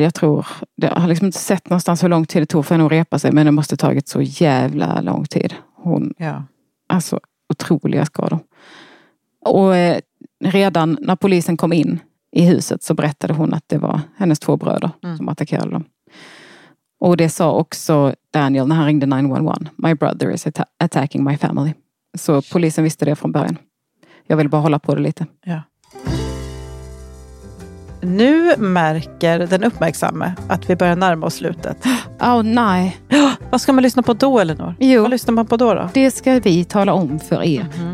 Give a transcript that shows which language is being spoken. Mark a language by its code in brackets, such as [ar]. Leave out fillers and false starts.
[sv] Jag tror, jag har liksom inte sett någonstans hur lång tid det tog för henne att repa sig, men det måste tagit så jävla lång tid. Hon, ja. Alltså, otroliga skador. Och redan när polisen kom in i huset så berättade hon att det var hennes två bröder som attackerade dem. Och det sa också Daniel när han ringde 911. [en] My brother is attacking my family. [sv] Så polisen visste det från början. Jag vill bara hålla på det lite. Ja. Nu märker den uppmärksamme att vi börjar närma oss slutet. Oh nej. Vad ska man lyssna på då, Elinor? Jo. Vad lyssnar man på då? Det ska vi tala om för er. Mm-hmm.